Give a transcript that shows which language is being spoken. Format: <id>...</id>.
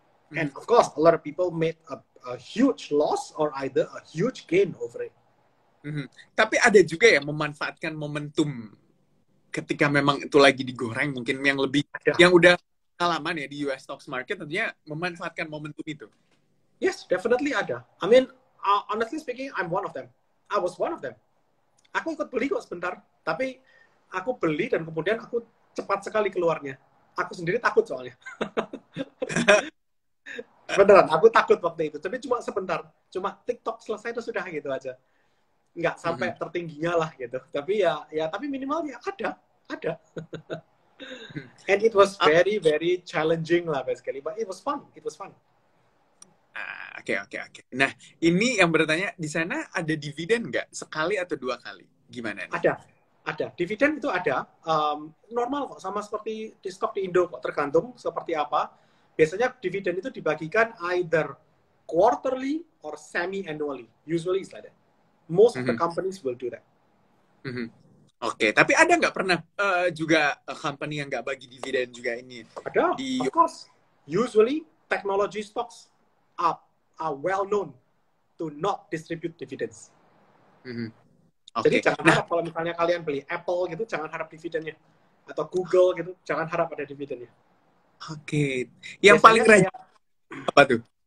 <en>And of course, a lot of people made a huge loss or either a huge gain over it. Mm-hmm.</en> <id>Tapi ada juga ya memanfaatkan momentum ketika memang itu lagi digoreng, mungkin yang lebih ada. Yang udah pengalaman ya di US stocks market, tentunya memanfaatkan momentum itu.</id> <en>Yes,</en> <id>definitely ada.</id> <en>I mean, honestly speaking, I'm one of them. I was one of them.</en> <id>Aku ikut beli kok sebentar, tapi aku beli dan kemudian aku cepat sekali keluarnya. Aku sendiri takut soalnya. Beneran, aku takut waktu itu. Tapi cuma sebentar. Cuma TikTok selesai itu sudah gitu aja. Nggak sampai tertingginya lah gitu. Tapi ya tapi minimalnya ada. Ada.</id> <en>And it was very, very challenging lah basically. But it was fun. Oke.</en> <id>Nah, ini yang bertanya, di sana ada dividen nggak? Sekali atau dua kali? Gimana nih? Ada. Dividen itu ada. Normal kok. Sama seperti di stock di Indo kok. Tergantung seperti apa. Biasanya dividen itu dibagikan</id> <en>either quarterly or semi-annually. Usually it's like that. Most of the companies will do that. Mm-hmm. Oke.</en> <id>Tapi ada nggak pernah juga company yang nggak bagi dividen juga ini? Ada.</id> <en>Of course. Usually technology stocks are well known to not distribute dividends. Mm-hmm.</en> <id>Okay. Jadi jangan harap kalau misalnya kalian beli Apple gitu, jangan harap dividennya. Atau Google gitu, jangan harap ada dividennya. Oke. Yang paling rajin apa tuh?</id>